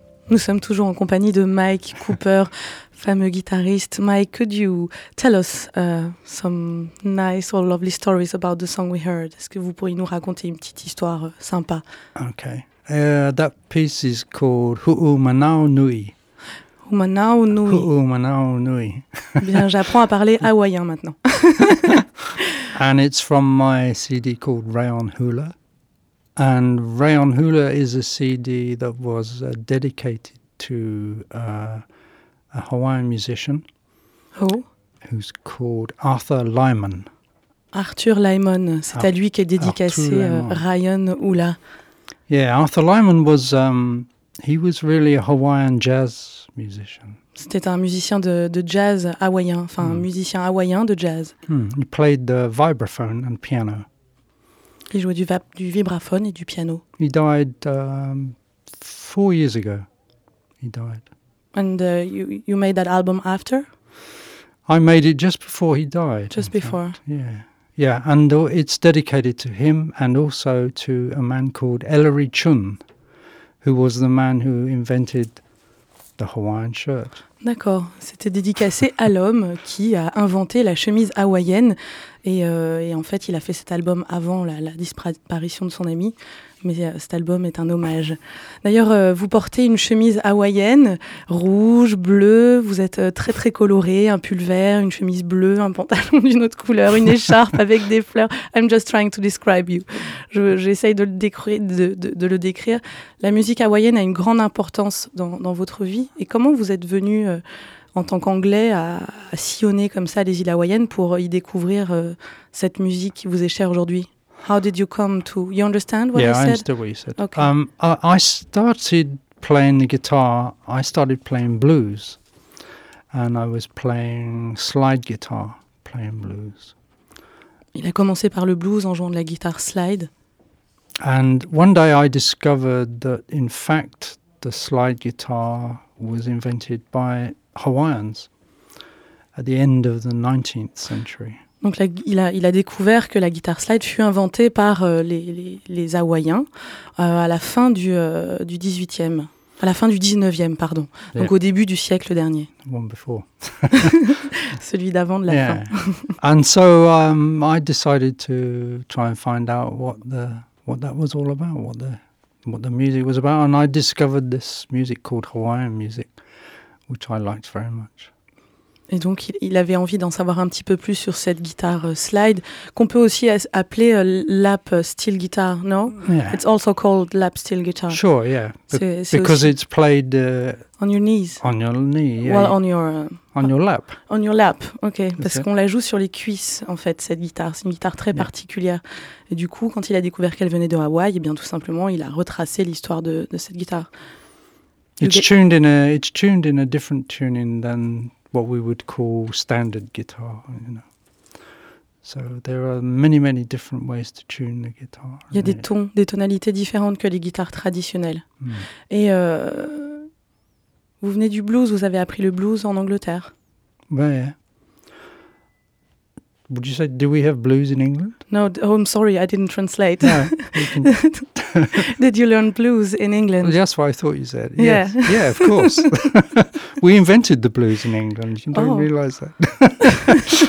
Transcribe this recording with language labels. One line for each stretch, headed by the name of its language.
French: Nous sommes toujours en compagnie de Mike Cooper, fameux guitariste.
English: Mike, could you tell us some nice or lovely stories about the song we heard?
French: Est-ce que vous pourriez nous raconter une petite histoire sympa?
English: Okay. That piece is called Hu'umanao Nui. Hu'umanao Nui. Hu'umanao Nui.
French: Bien, j'apprends à parler hawaïen maintenant.
English: And it's from my CD called Rayon Hula. And Rayon Hula is a CD that was dedicated to a Hawaiian musician. Who? Who's called Arthur Lyman.
French: Arthur Lyman, c'est à lui qu'est dédicacé Rayon Hula.
English: Yeah, Arthur Lyman was, he was really a Hawaiian jazz musician.
French: C'était un musicien de jazz hawaïen, enfin un musicien hawaïen de jazz.
English: Mm. He played the vibraphone and piano.
French: Il jouait du vibraphone et du piano.
English: He died 4 years ago. He died. And you made that album after? I made it just before he died. Just before. Yeah, and it's dedicated to him and also to a man called Ellery Chun, who was the man who invented the Hawaiian shirt.
French: D'accord, c'était dédicacé à l'homme qui a inventé la chemise hawaïenne et en fait il a fait cet album avant la disparition de son ami, mais cet album est un hommage. D'ailleurs, vous portez une chemise hawaïenne, rouge, bleu, vous êtes très très coloré, un pull vert, une chemise bleue, un pantalon d'une autre couleur, une écharpe avec des fleurs.
English: I'm just trying to describe you.
French: J'essaye de le décrire. La musique hawaïenne a une grande importance dans votre vie. Et comment vous êtes venu en tant qu'anglais à sillonner comme ça les îles hawaïennes pour y découvrir cette musique qui vous est chère aujourd'hui?
English: How did you come to? You understand what I said? Yeah, I understand what you said. Okay. I started playing the guitar. I started playing blues, and I was playing slide guitar, playing blues.
French: Il a commencé par le blues en jouant de la guitare slide.
English: And one day I discovered that in fact the slide guitar was invented by Hawaiians at the end of the 19th century.
French: Donc là, il a découvert que la guitare slide fut inventée par les Hawaïens à la fin du 18e, à la fin du 19e, pardon. Yeah. Donc au début du siècle dernier.
English: One before.
French: Celui d'avant de la fin.
English: And so I decided to try and find out what that was all about, what the music was about, and I discovered this music called Hawaiian music, which I liked very much.
French: Et donc, il avait envie d'en savoir un petit peu plus sur cette guitare slide, qu'on peut aussi appeler lap steel guitar, no?
English: Yeah. It's also called lap steel guitar. Sure, yeah. Because it's played... On your knees. On your knee, yeah. Well, yeah. On your lap. On your lap, ok.
French: Parce qu'on la joue sur les cuisses, en fait, cette guitare. C'est une guitare très particulière. Et du coup, quand il a découvert qu'elle venait de Hawaï, eh bien, tout simplement, il a retracé l'histoire de cette guitare.
English: It's tuned in a different tuning than... what we would call standard guitar, you know. So there are many, many different ways to tune the guitar.
French: Il y a des tons, des tonalités différentes que les guitares traditionnelles. Mm. Et vous venez du blues, vous avez appris le blues en Angleterre. Ouais. Yeah.
English: Would you say, do we have blues in England? No, I'm sorry, I didn't translate. Yeah, Did you learn blues in England? Well, that's what I thought you said. Yeah. Yeah, of course. We invented the blues in England. You don't realize that.